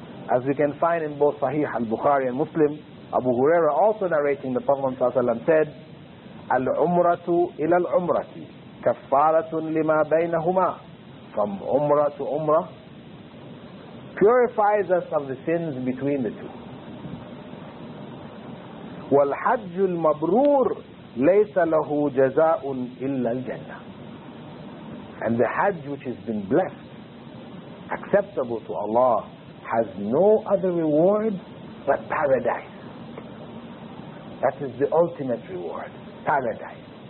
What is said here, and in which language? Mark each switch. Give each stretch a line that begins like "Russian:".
English: As we can find in both Sahih al-Bukhari and Muslim, Abu Huraira also narrating the Prophet ﷺ said,
Arabic: Al-Umratu ila al-Umrati kafaratun lima baynahuma
English: from Umrah to Umrah. Purifies us of the sins between the two.
Arabic: والحج المبرور ليس له جزاء إلا الجنة.
English: And the Hajj which has been blessed, acceptable to Allah, has no other reward but paradise. That is the ultimate reward, paradise.